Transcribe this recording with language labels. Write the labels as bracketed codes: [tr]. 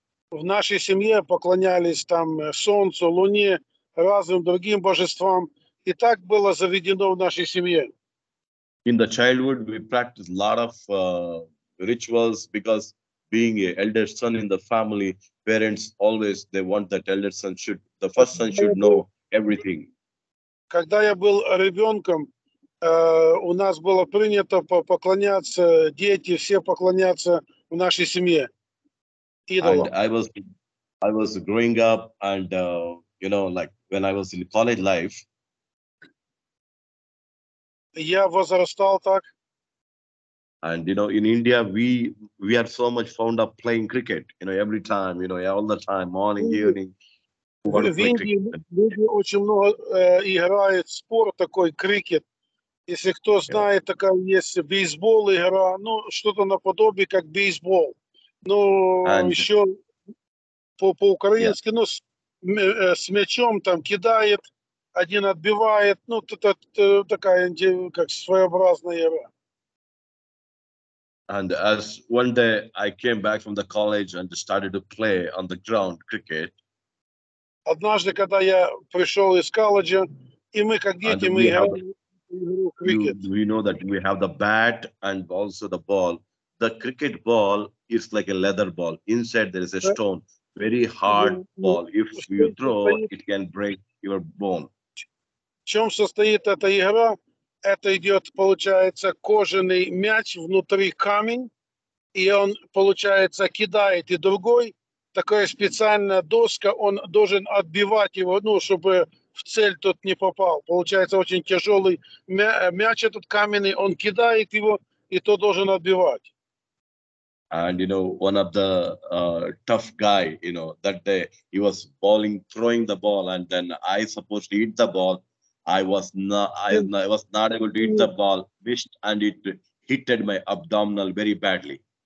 [ru] В нашей семье поклонялись там солнцу, луне, разным другим божествам, и так было заведено в нашей семье. [en] In the childhood, we practiced a lot of rituals because being an elder son in the family, parents always they want that elder son should the first son should know everything. [ru] Когда я был ребенком, у нас было принято поклоняться дети все поклоняться в нашей семье идолам. [en] I was growing up, and you know, like when I was in college life. [ru] Я возрастал так. [en] And you know, in India, we are so much fond of playing cricket. You know, every time, you know, all the time, morning, evening. [ru] В Индии люди очень много играют спорт такой крикет. Если кто знает, такая есть бейсбол игра, ну что-то наподобие как бейсбол. Ну еще по украински, ну с мячом там кидает. Один отбивает, ну, такая, как своеобразная игра. [en] And as one day I came back from the college and started to play on the ground cricket. [ru] Однажды, когда я пришел из колледжа, и мы как дети, мы играли в [en] cricket. We know that we have the bat and also the ball. The cricket ball is like a leather ball. Inside there is a stone, very hard ball. If you throw, it can break your bone. [ru] В чем состоит эта игра? Это идет, получается, кожаный мяч, внутри камень, и он, получается, кидает и другой. Такая специальная доска, он должен отбивать его, ну, чтобы в цель тот не попал. Получается, очень тяжелый мяч этот каменный, он кидает его, и тот должен отбивать. [en] And, you know, one of the tough guy, you know, that day, he was bowling, throwing the ball, and then I supposed to hit the ball. I was not able to hit the ball, missed, and it hit my abdominal very badly.